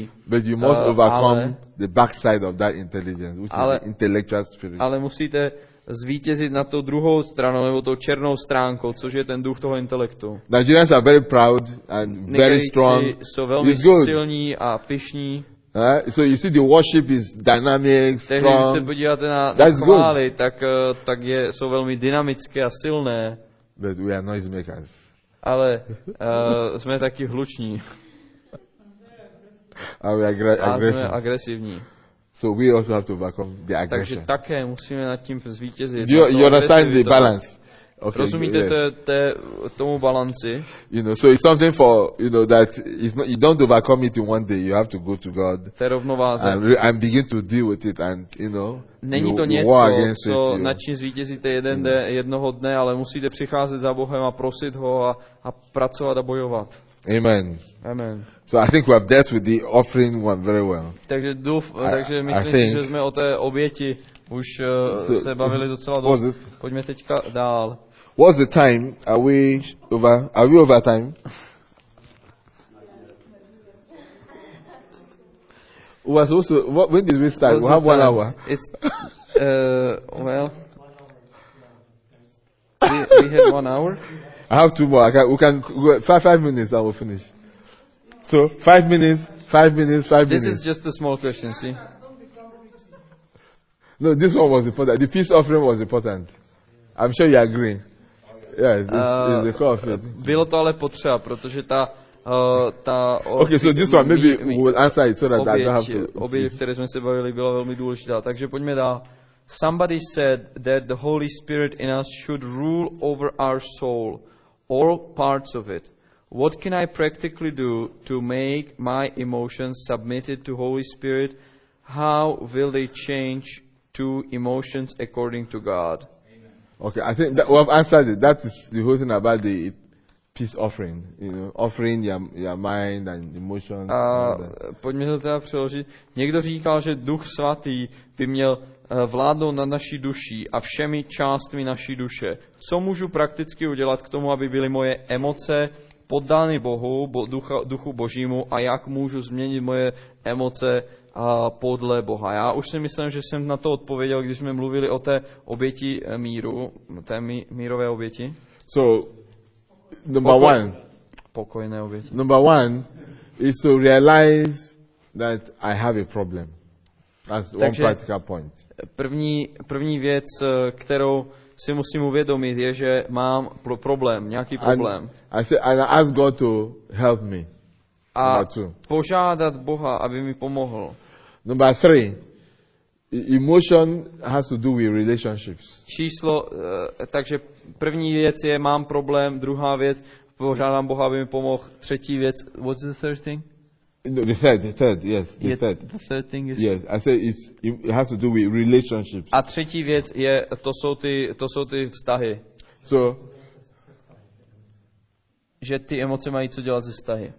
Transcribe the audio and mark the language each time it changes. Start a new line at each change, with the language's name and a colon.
English: But you must overcome the backside of that intelligence, which is the intellectual spirit.
Czech: Ale musíte zvítězit na tou druhou stranu nebo tou černou stránkou, což je ten duch toho intelektu.
English: Nigerians are very proud and very strong.
Czech: Nigerici jsou velmi silní a pyšní.
English: So you see the worship is dynamic, strong.
Czech: Když se podíváte na chvály, tak jsou velmi dynamické a silné.
English: But we are noise makers.
Czech: Ale jsme taky hluční.
English: A we are aggressive.
Czech: Jsme agresivní.
English: So we also have to overcome the aggression.
Czech: Takže také musíme nad tím zvítězit.
English: You understand the balance?
Czech: Okay, rozumíte tomu balanci?
English: You know, so it's something for, you know, that it's not, you don't overcome it in one day. You have to go to God.
Czech: To je rovnováze.
English: And begin to deal with it and, you know,
Czech: není to něco, co nad čím zvítězíte jednoho dne, ale musíte přicházet za Bohem a prosit ho a pracovat a bojovat.
English: Amen. Amen. So I think we have dealt with the offering one very well.
Czech: Takže myslím, že jsme o té oběti už se bavili docela dost. Pojďme teďka dál.
English: What's the time? Are we over time? When did we start? We have 1 hour. we had 1 hour. I have 2 more. We can go 5 minutes and we'll finish. So 5 minutes. This is just a small question, see? No, this one was important. The peace offering was important. I'm sure you agree. Yes, it's the core of it.
Czech: Bylo to ale potřeba, protože ta ta
English: okay, so this one maybe we will answer it so that I don't have to.
Czech: Obě, které jsme se bavili, byla velmi důležitá. Takže pojďme dál.
English: Somebody said that the Holy Spirit in us should rule over our soul, all parts of it. What can I practically do to make my emotions submitted to Holy Spirit? How will they change to emotions according to God? Amen. Okay, I think that we have answered it. That is the whole thing about the peace offering. You know, offering your mind and emotions.
Czech: Pojďme to teda přeložit. Někdo říkal, že Duch Svatý by měl vládnout nad naší duší a všemi částmi naší duše. Co můžu prakticky udělat k tomu, aby byly moje emoce poddány Bohu, Duchu Božímu, a jak můžu změnit moje emoce podle Boha? Já už si myslím, že jsem na to odpověděl, když jsme mluvili o té oběti míru, té mírové oběti.
English: So, number one.
Czech: Pokojné oběti.
English: Number one is to realize that I have a problem. That's one practical point.
Czech: První věc, kterou si musím uvědomit, je, že mám problém, nějaký problém.
English: And I ask God to help me.
Czech: A požádat Boha, aby mi pomohl.
English: Number three, emotion has to do with relationships.
Czech: Číslo, takže první věc je, mám problém, druhá věc, požádám Boha, aby mi pomohl, třetí věc,
English: what's the third thing? No, the third. The third thing is? Yes, I say it has to do with relationships.
Czech: A třetí věc je, to jsou ty vztahy. So, že ty emoce mají co dělat se vztahy.